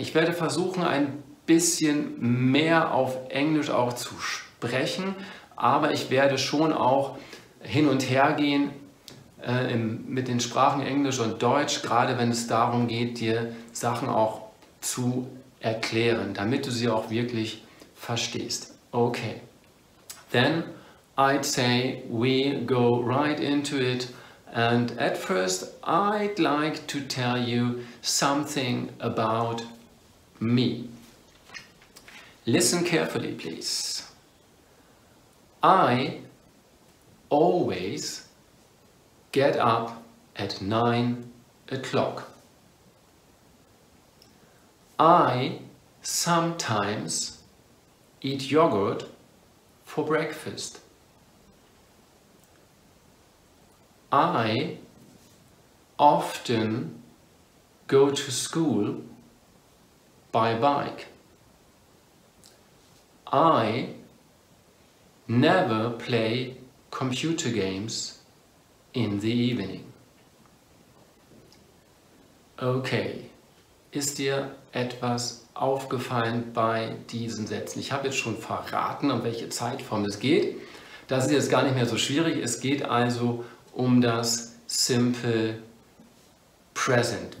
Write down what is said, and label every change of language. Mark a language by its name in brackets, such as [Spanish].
[German] Ich werde versuchen, ein bisschen mehr auf Englisch auch zu sprechen, aber ich werde schon auch hin und her gehen mit den Sprachen Englisch und Deutsch, gerade wenn es darum geht, dir Sachen auch zu erklären, damit du sie auch wirklich verstehst. [English] Okay, then I'd say we go right into it and at first I'd like to tell you something about me. Listen carefully, please. I always get up at 9 o'clock. I sometimes eat yogurt for breakfast. I often go to school by bike. I never play computer games in the evening. [German] Okay, ist dir etwas aufgefallen bei diesen Sätzen? Ich habe jetzt schon verraten, um welche Zeitform es geht. Das ist jetzt gar nicht mehr so schwierig. Es geht also um das Simple Present.